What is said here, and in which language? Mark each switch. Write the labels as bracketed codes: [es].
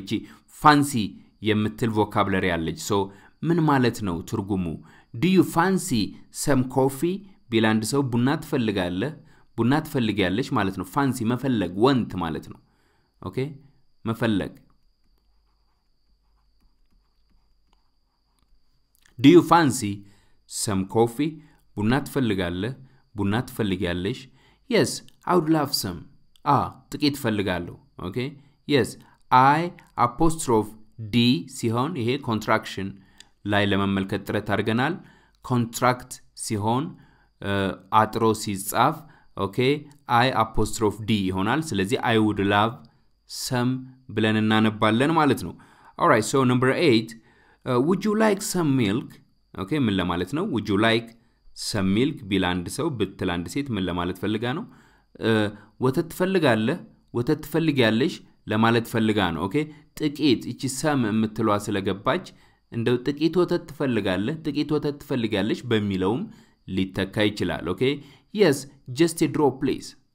[am] እቺ fancy የምትል ቮካብለሪ አለች. So ምን ማለት ነው ትርጉሙ? [en] Do you fancy some coffee? [am] ቢል አንድ ሰው ቡና ትፈልጋለህ? ቡና ትፈልጋለሽ ማለት ነው ፋንሲ መፈለግ ወንት ማለት ነው ኦኬ መፈለግ [en] Do you fancy some coffee? [am] ቡና ትፈልጋለህ? ቡና ትፈልጊያለሽ? [en] Yes, I would love some. [am] ጥቂት ትፈልጋለሁ። Okay? [en] Yes, I apostrophe D [am] ሲሆን ይሄ [en] contraction [am] ላይ ለመመልከት ጥረት አድርገናል። [en] Contract [am] ሲሆን አጥሮ ሲጻፍ [en] Okay, I apostrophe D [am] ይሆናል። ስለዚህ [en] I would love some [am] ብለን እናነባለን ማለት ነው። [en] Alright, so number 8, would you like some milk? [am] Okay, ምን ለማለት ነው? [en] Would you like some milk? [am] ቢላንድ ሰው ብትላንድ ሴት ምን ለማለት ፈልጋ ነው? ወተት ትፈልጋለህ? ወተት ትፈልጊያለሽ? ለማለት ፈልጋ ነው። Okay, ጥቂት እቺ ሰም የምትሏ ስለገባች እንደው ጥቂት ወተት ትፈልጋለህ? ጥቂት ወተት ትፈልጊያለሽ? በሚለውም ሊተካ ይችላል። [en] Okay, yes, just a drop please.